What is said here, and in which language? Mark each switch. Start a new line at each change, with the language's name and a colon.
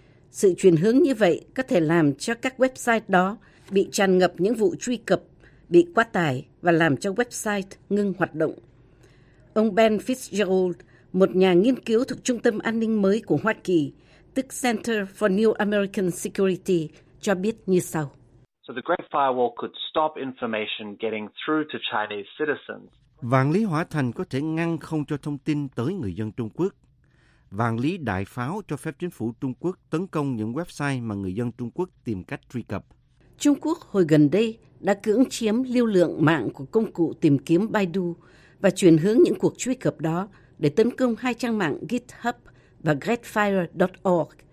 Vietnamese: Sự chuyển hướng như vậy có thể làm cho các website đó bị tràn ngập những vụ truy cập, bị quá tải và làm cho website ngưng hoạt động. Ông Ben Fitzgerald, một nhà nghiên cứu thuộc Trung tâm An ninh mới của Hoa Kỳ, tức Center for New American Security, cho biết như sau.
English: So the Great Firewall could stop information getting through to Chinese citizens.
Vietnamese: Vạn lý hỏa thành có thể ngăn không cho thông tin tới người dân Trung Quốc. Vạn lý đại pháo cho phép chính phủ Trung Quốc tấn công những website mà người dân Trung Quốc tìm cách truy cập. Trung Quốc hồi gần đây đã cưỡng chiếm lưu lượng mạng của công cụ tìm kiếm Baidu và chuyển hướng những cuộc truy cập đó để tấn công hai trang mạng GitHub và GreatFire.org.